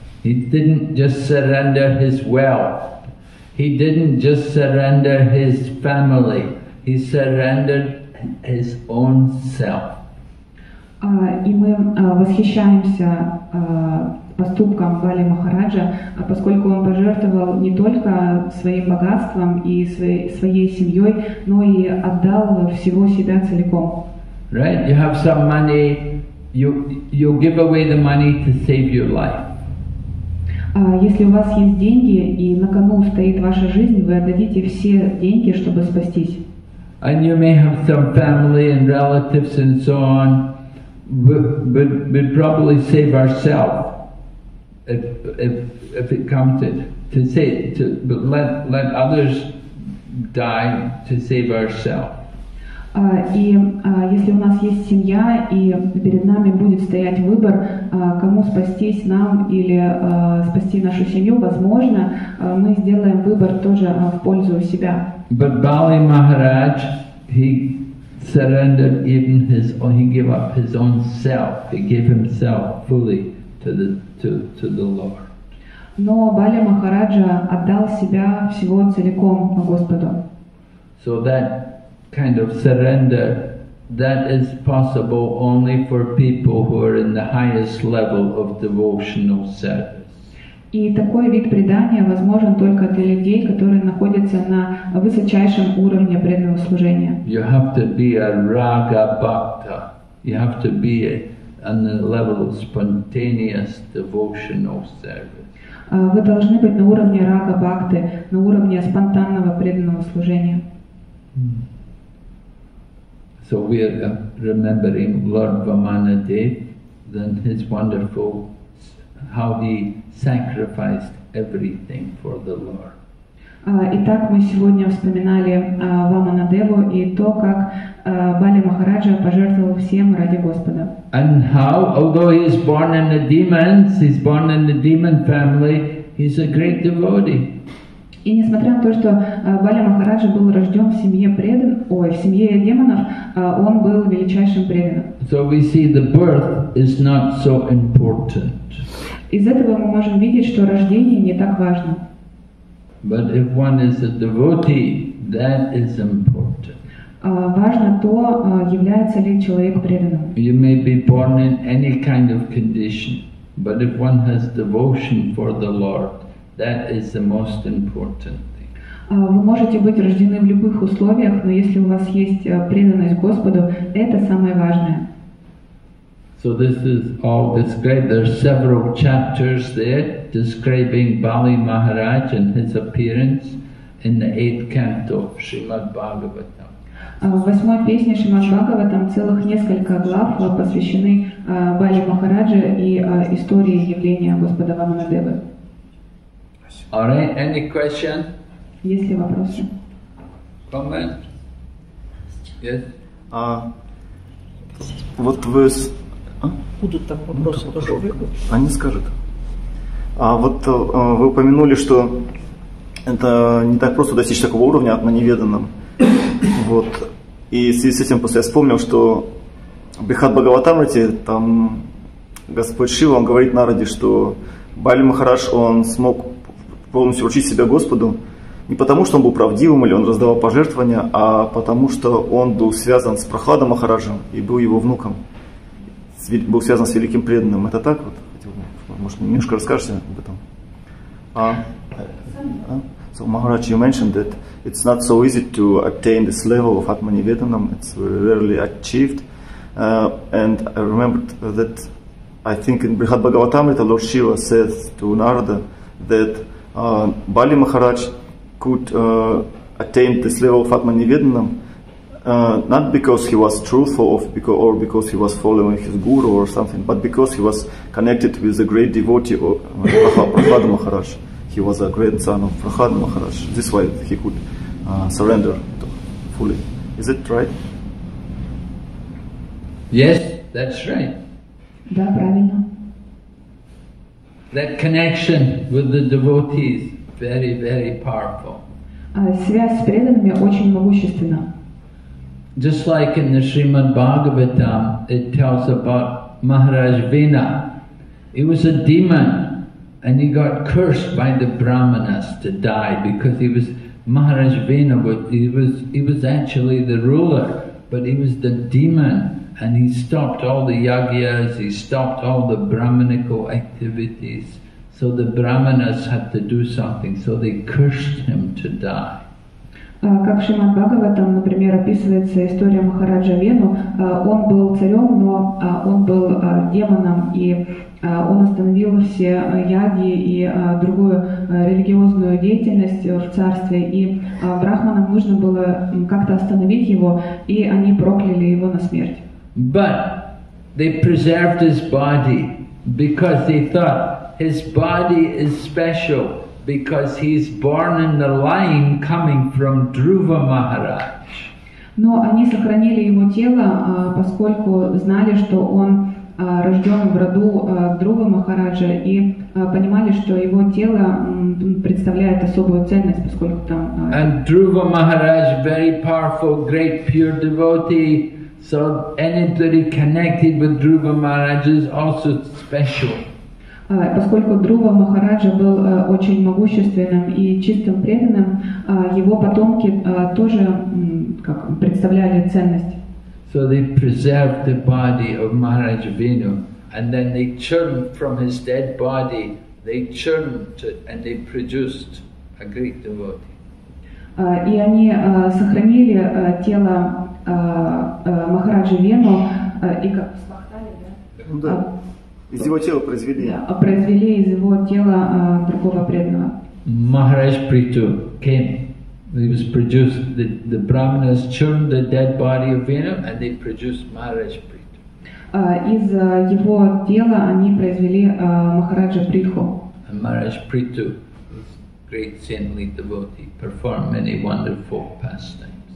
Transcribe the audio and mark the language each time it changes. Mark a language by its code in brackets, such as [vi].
[en] He didn't just surrender his wealth. He didn't just surrender his family. He surrendered his own self. [ru] И мы восхищаемся поступком Бали Махараджа, поскольку он пожертвовал не только своим богатством и своей семьей, но и отдал всего себя целиком. [en] Right, you have some money, you give away the money to save your life. [ru] Если у вас есть деньги и на кону стоит ваша жизнь, вы отдадите все деньги, чтобы спастись. [en] And you may have some family and relatives and so on. We'd probably save ourselves if it comes to say to but let others die to save ourselves. [ru] Если у нас есть семья и перед нами будет стоять выбор, кому спастись, нам или спасти нашу семью, возможно, мы сделаем выбор тоже в пользу себя. [en] But Bali Maharaj, he surrendered even his own, he gave up his own self, he gave himself fully to the Lord. [ru] Но Бали Махараджа отдал себя всего целиком Господу. [en] So that kind of surrender that is possible only for people who are in the highest level of devotional service. [ru] И такой вид предания возможен только для людей, которые находятся на высочайшем уровне преданного служения. [en] You have to be a raga bhakta. You have to be on the level of spontaneous devotional service. [ru] Вы должны быть на уровне рага бхакты, на уровне спонтанного преданного служения. [en] So we are remembering Lord Vamanadev, then his wonderful, how he sacrificed everything for the Lord. [ru] Итак, мы сегодня вспоминали Ваманадеву и то, как Бали Махараджа пожертвовал всем ради Господа. [en] And how, although he is born in the demons, he's born in the demon family, he's a great devotee. [ru] И несмотря на то, что Бали Махараджа был рожден в семье в семье демонов, он был величайшим преданным. [en] So we see the birth is not so important. [ru] Из этого мы можем видеть, что рождение не так важно. [en] But if one is a devotee, that is important. [ru] Важно то, является ли человек преданным. [en] You may be born in any kind of condition, but if one has devotion for the Lord, that is the most important thing. [ru] Вы можете быть рождены в любых условиях, но если у вас есть преданность Господу, это самое важное. [en] So this is all described. There are several chapters there describing Bali Maharaj and his appearance in the 8th canto of Srimad Bhagavatam. [ru] В 8-й песне Шримад Бхагаватам целых несколько глав посвящены Бали Махараджа и истории явления Господа Ваманадевы. [en] All right, any question? [ru] Есть ли вопросы? [en] Comment? Yes? [ru] Вот вы... Будут там вопросы, будут тоже выходят? Они скажут. Вы упомянули, что это не так просто достичь такого уровня на неведанном. Вот. И в связи с этим просто я вспомнил, что в Бихат Бхагаватамрите там Господь Шива, он говорит Нараде, что Бали Махараш, он смог полностью вручить себя Господу, не потому, что он был правдивым или он раздавал пожертвования, а потому, что он был связан с Прохладом Махараджем и был его внуком, был связан с великим преданным. Это так? Вот? Может, немножко расскажете об этом? [en] So, Maharaj, you mentioned that it's not so easy to attain this level of Atmanivedanam, it's rarely achieved. And I remembered that, I think in Brihad Bhagavatamrita, Lord Shiva said to Narada that Bali Maharaj could attain this level of Atmanivedanam not because he was truthful or because he was following his guru or something, but because he was connected with a great devotee of Prahlada Maharaj. He was a grandson of Prahlada Maharaj. This way he could surrender fully. Is it right? Yes, that's right. [ru] Да, правильно. [en] That connection with the devotees very, very powerful. [ru] Связь с преданными очень могущественна. [en] Just like in the Srimad Bhagavatam, it tells about Maharaj Vina. He was a demon, and he got cursed by the brahmanas to die because he was Maharaj Vina, but he was actually the ruler But he was the demon, and he stopped all the yagyas, he stopped all the brahminical activities. So the brahmanas had to do something, so they cursed him to die. [ru] Как в Шримад Бхагаватам, например, описывается история Махараджа Вену. Он был царем, но он был демоном, и он остановил все яги и другую религиозную деятельность в царстве. И брахманам нужно было как-то остановить его, и они прокляли его на смерть. [en] But they preserved his body because they thought his body is special. Because he's born in the line coming from Dhruva Maharaj. [ru] Но они сохранили его тело, поскольку знали, что он рожден в роду Друвы Махараджа, и понимали, что его тело представляет особую ценность, поскольку там. [en] And Dhruva Maharaj, very powerful, great, pure devotee. So anybody connected with Dhruva Maharaj is also special. [ru] Поскольку Друва Махараджа был очень могущественным и чистым преданным, его потомки тоже как, представляли ценность. [en] So they preserved the body of Maharaj Venu, and then they churned from his dead body, they churned and they produced a great devotee. [ru] И они сохранили тело Махараджи Вену и как спахтали, да? Из его тела произвели. Да, произвели из его тела другого преданного. [en] Maharaj Prithu came. He was produced. The brahmanas churned the dead body of Venu, and they produced Maharaj Prithu. [ru] Из его тела они произвели Махараджа Притху. [en] And Maharaj Prithu, great saintly devotee, performed many wonderful pastimes.